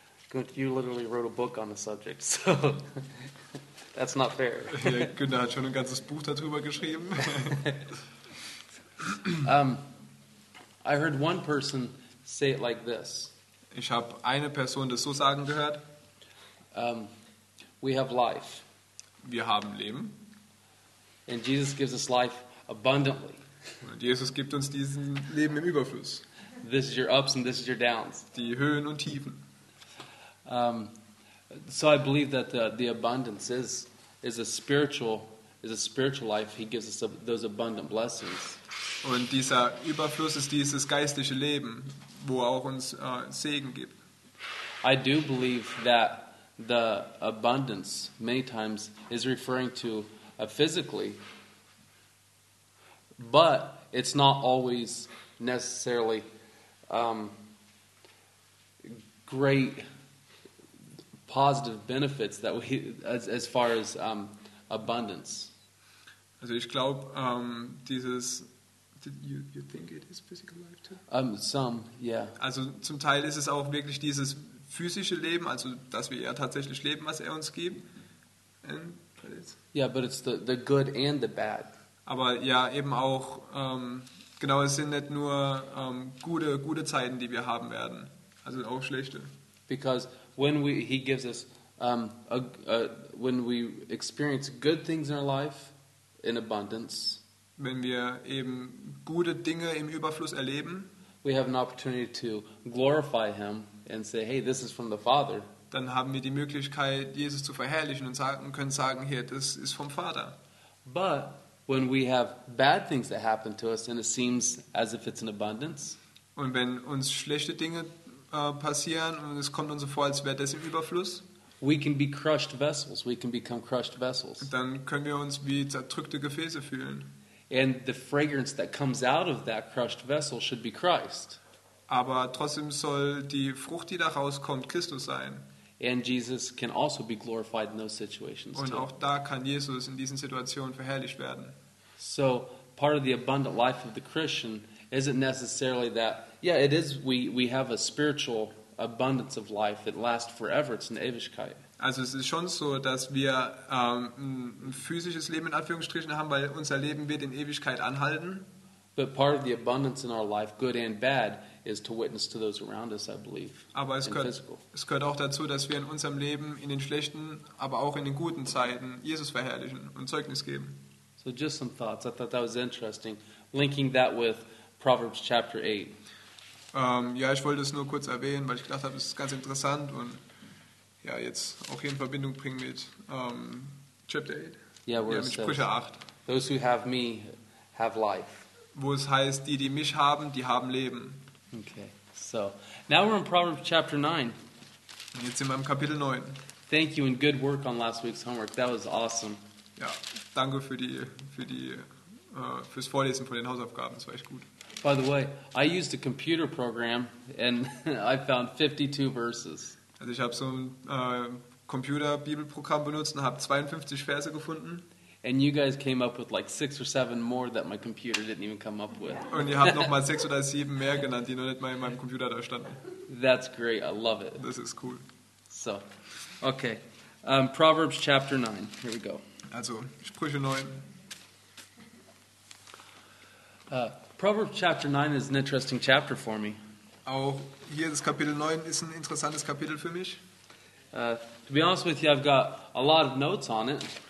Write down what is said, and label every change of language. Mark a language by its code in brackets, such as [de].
[en] Good, you literally wrote a book on the subject, so that's not fair. [de] Yeah, Günther hat schon ein ganzes Buch darüber geschrieben. [en] I heard one person say it like this. [de] Ich habe eine Person das so sagen gehört. [en] We have life. [de] Wir haben Leben. [en] And Jesus gives us life abundantly. [de] Und Jesus gibt uns diesen Leben im Überfluss. [en] This is your ups and this is your downs. [de] Die Höhen und Tiefen. [en] So I believe that the abundance is a spiritual life. He gives us those abundant blessings. [de] Und dieser Überfluss ist dieses geistliche Leben, wo auch uns Segen gibt. [en] I do believe that the abundance many times is referring to physically, but it's not always necessarily great. positive benefits that we as far as abundance. [de] Also ich glaube dieses [en] you think it is physical life too? [de] Also zum Teil ist es auch wirklich dieses physische Leben, also dass wir ja tatsächlich leben, was uns gibt. [en] But it's the good and the bad. [de] Aber ja, eben auch genau, es sind nicht nur gute Zeiten, die wir haben werden, also auch schlechte. [en] Because when he gives us when we experience good things in our life in abundance, [de] wenn wir eben gute Dinge im Überfluss erleben, [en] we have an opportunity to glorify him and say, hey, this is from the Father. [de] Dann haben wir die Möglichkeit, Jesus zu verherrlichen und können sagen, hier, das ist vom Vater. [en] But when we have bad things that happen to us and it seems as if it's in abundance, [de] und wenn uns schlechte Dinge passieren und es kommt uns so vor, als wäre das im Überfluss, [en] we can be crushed vessels. We can become crushed vessels. [de] Dann können wir uns wie zerdrückte Gefäße fühlen. [en] And the fragrance that comes out of that crushed vessel should be Christ. [de] Aber trotzdem soll die Frucht, die da rauskommt, Christus sein. [en] And Jesus can also be glorified in those situations. [de] Und auch da kann Jesus in diesen Situationen verherrlicht werden. [en] So part of the abundant life of the Christian isn't necessarily that. Yeah, it is. We have a spiritual abundance of life. It lasts forever. It's an Ewigkeit. [de] Also es ist schon so, dass wir ein physisches Leben in Anführungsstrichen haben, weil unser Leben wird in Ewigkeit anhalten. [en] But part of the abundance in our life, good and bad, is to witness to those around us, I believe. [de] Aber es gehört auch dazu, dass wir in unserem Leben in den schlechten, aber auch in den guten Zeiten Jesus verherrlichen und Zeugnis geben. [en] So just some thoughts. I thought that was interesting, linking that with Proverbs chapter 8. [de] Ich wollte es nur kurz erwähnen, weil ich gedacht habe, es ist ganz interessant und ja, jetzt auch hier in Verbindung bringen mit chapter 8. [en] Yeah, [de] mit Sprüche 8. [en] Those who have me have life. [de] Wo es heißt, die, die mich haben, die haben Leben. [en] Okay, so now we're in Proverbs chapter 9. [de] Und jetzt sind wir im Kapitel 9. [en] Thank you and good work on last week's homework. That was awesome. [de] Ja, danke fürs Vorlesen von den Hausaufgaben. Das war echt gut. [en] By the way, I used a computer program and I found 52 verses. [de] Also ich habe so ein Computer-Bibelprogramm benutzt und habe 52 Verse gefunden. [en] And you guys came up with like 6 or 7 more that my computer didn't even come up with. [de] Und ihr habt nochmal 6 oder 7 mehr genannt, die noch nicht mal in meinem Computer da standen. [en] That's great, I love it. [de] Das ist cool. [en] So, okay. Proverbs chapter 9, here we go. [de] Also, Sprüche 9. [en] Proverbs chapter 9 is an interesting chapter for me. [de] Auch hier das Kapitel 9 ist ein interessantes Kapitel für mich. [en] To be honest with you, I've got a lot of notes on it.